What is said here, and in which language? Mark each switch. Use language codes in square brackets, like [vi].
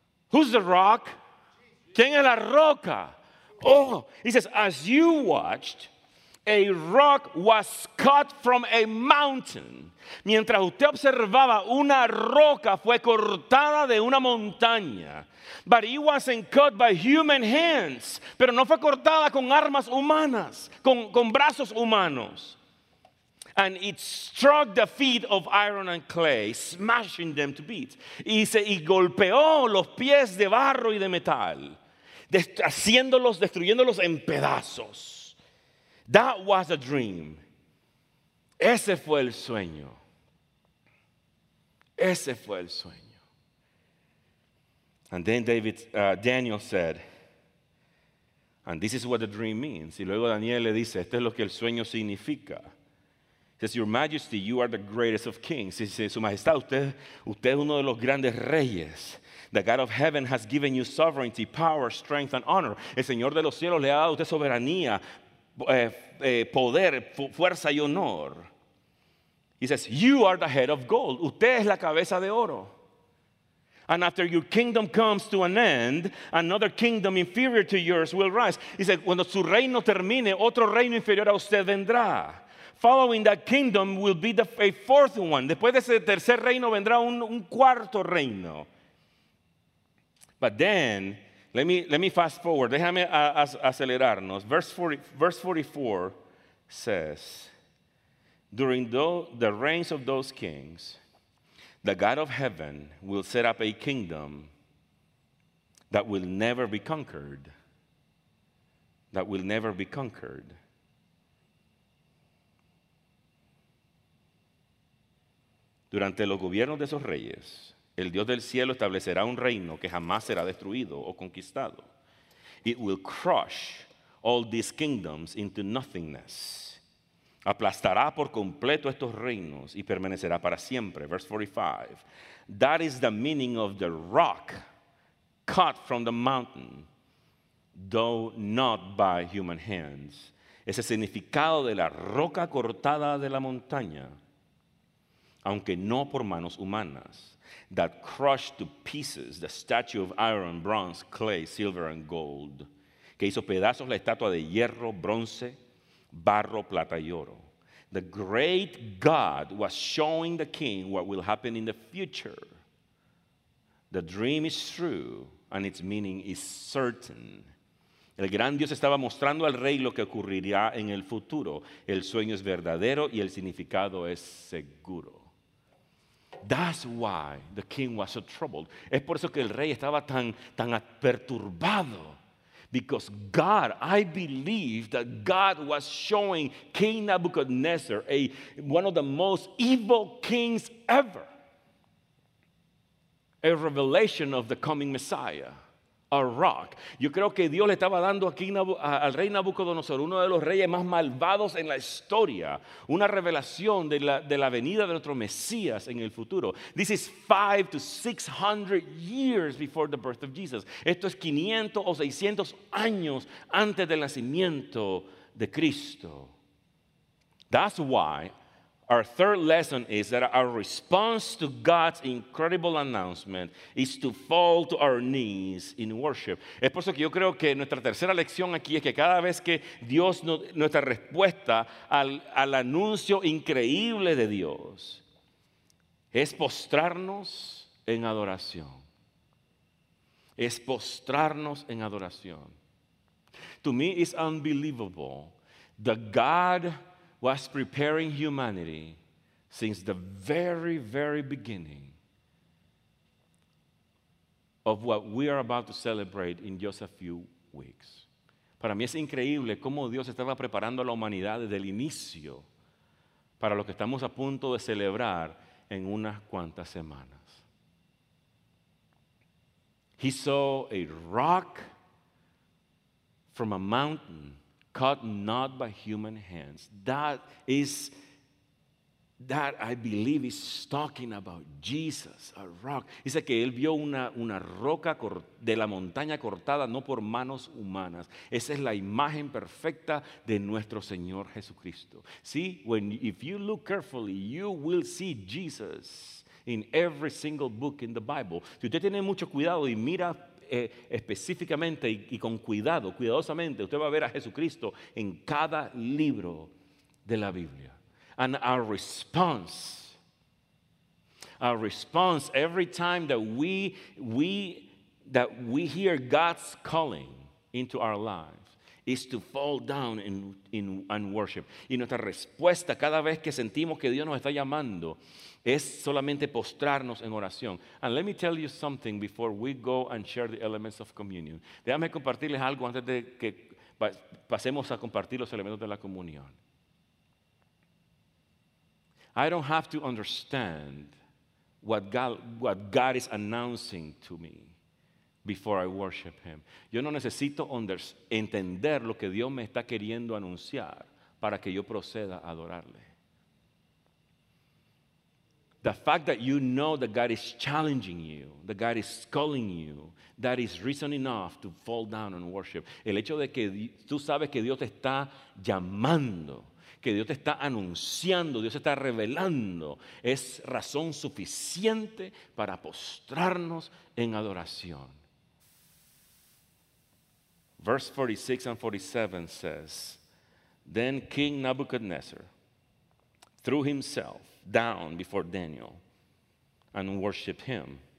[en] Who's the rock? [es] ¿Quién es la roca? [en] Oh, he says, as you watched, a rock was cut from a mountain. [es] Mientras usted observaba, una roca fue cortada de una montaña. [en] But it wasn't cut by human hands. [es] Pero no fue cortada con armas humanas, con brazos humanos. [en] And it struck the feet of iron and clay, smashing them to bits. [es] Y golpeó los pies de barro y de metal, destruyéndolos en pedazos. [en] That was a dream. [es] Ese fue el sueño. Ese fue el sueño. [en] And then Daniel said, and this is what the dream means. [es] Y luego Daniel le dice, esto es lo que el sueño significa. [en] He says, your majesty, you are the greatest of kings. He says, [es] su majestad, usted es uno de los grandes reyes. [en] The God of heaven has given you sovereignty, power, strength, and honor. [es] El Señor de los cielos le ha dado a usted soberanía, poder, fuerza y honor. [en] He says, you are the head of gold. [es] Usted es la cabeza de oro. [en] And after your kingdom comes to an end, another kingdom inferior to yours will rise. He says, [es] cuando su reino termine, otro reino inferior a usted vendrá. [en] Following that kingdom will be a fourth one. [es] Después de ese tercer reino vendrá un cuarto reino. [en] But then, let me fast forward. [es] Déjame acelerarnos. [en] Verse 44 says, during the reigns of those kings, the God of heaven will set up a kingdom that will never be conquered. That will never be conquered. [es] Durante los gobiernos de esos reyes, el Dios del cielo establecerá un reino que jamás será destruido o conquistado. [en] It will crush all these kingdoms into nothingness. [es] Aplastará por completo estos reinos y permanecerá para siempre. [en] Verse 45. That is the meaning of the rock cut from the mountain, though not by human hands. [es] Ese significado de la roca cortada de la montaña, aunque no por manos humanas, [en] that crushed to pieces the statue of iron, bronze, clay, silver, and gold, [es] que hizo pedazos la estatua de hierro, bronce, barro, plata y oro. [en] The great God was showing the king what will happen in the future. The dream is true and its meaning is certain. [es] El gran Dios estaba mostrando al rey lo que ocurriría en el futuro. El sueño es verdadero y el significado es seguro. [en] That's why the king was so troubled. [es] Es por eso que el rey estaba tan perturbado. [en] Because God, I believe that God was showing King Nebuchadnezzar, one of the most evil kings ever, a revelation of the coming Messiah, a rock. [es] Yo creo que Dios le estaba dando aquí al rey Nabucodonosor, uno de los reyes más malvados en la historia, una revelación de la venida de nuestro Mesías en el futuro. [en] This is 500 to 600 years before the birth of Jesus. [es] Esto es 500 o 600 años antes del nacimiento de Cristo. [en] That's why our third lesson is that our response to God's incredible announcement is to fall to our knees in worship. [es] Es por eso que yo creo que nuestra tercera lección aquí es que cada vez que Dios, nuestra respuesta al anuncio increíble de Dios es postrarnos en adoración. Es postrarnos en adoración. [en] To me, it's unbelievable that God was preparing humanity since the very, very beginning of what we are about to celebrate in just a few weeks. [es] Para mí es increíble cómo Dios estaba preparando a la humanidad desde el inicio para lo que estamos a punto de celebrar en unas cuantas semanas. [en] He saw a rock from a mountain cut not by human hands. That I believe is talking about Jesus, a rock. [es] Dice que él vio una roca de la montaña cortada no por manos humanas. Esa es la imagen perfecta de nuestro Señor Jesucristo. [en] See, if you look carefully, you will see Jesus in every single book in the Bible. [es] Si usted tiene mucho cuidado y mira específicamente y con cuidado, cuidadosamente, usted va a ver a Jesucristo en cada libro de la Biblia. [en] And our response every time that we hear God's calling into our lives is to fall down in and worship. [es] Y nuestra respuesta cada vez que sentimos que Dios nos está llamando es solamente postrarnos en oración. [en] And let me tell you something before we go and share the elements of communion. [es] Déjame compartirles algo antes de que pasemos a compartir los elementos de la comunión. [en] I don't have to understand what God is announcing to me before I worship Him. [es] Yo no necesito entender lo que Dios me está queriendo anunciar para que yo proceda a adorarle. [en] The fact that you know that God is challenging you, that God is calling you, that is reason enough to fall down and worship. [es] El hecho de que tú sabes que Dios te está llamando, que Dios te está anunciando, Dios está revelando, es razón suficiente para postrarnos en adoración. [en] Verse 46 and 47 says, then King Nebuchadnezzar threw himself down before Daniel and worshiped him.